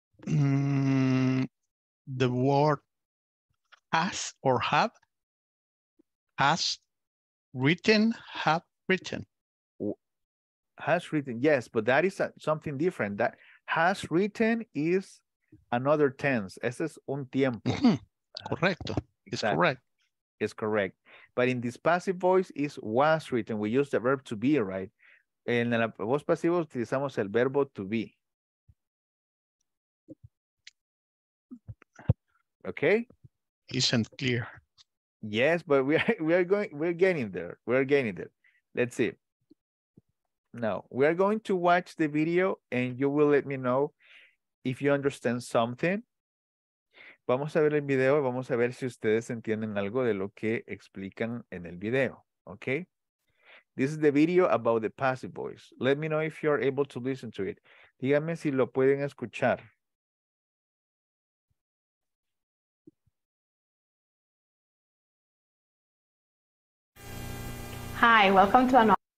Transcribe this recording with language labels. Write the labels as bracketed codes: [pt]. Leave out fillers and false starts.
[en] The word has or have, has written, have written. Has written, yes, but that is something different. That has written is another tense. [es] Ese es un tiempo. [en] Mm-hmm. Correcto. It's exactly. correct. It's correct. But in this passive voice is was written. We use the verb to be, right? [es] En la voz pasiva utilizamos el verbo to be. [en] Okay? Isn't clear. Yes, but we're getting there. Let's see. Now, we are going to watch the video and you will let me know if you understand something. [es] Vamos a ver el video y vamos a ver si ustedes entienden algo de lo que explican en el video, okay? [en] This is the video about the passive voice. Let me know if you are able to listen to it. [es] Díganme si lo pueden escuchar. [en] Hi, welcome to another.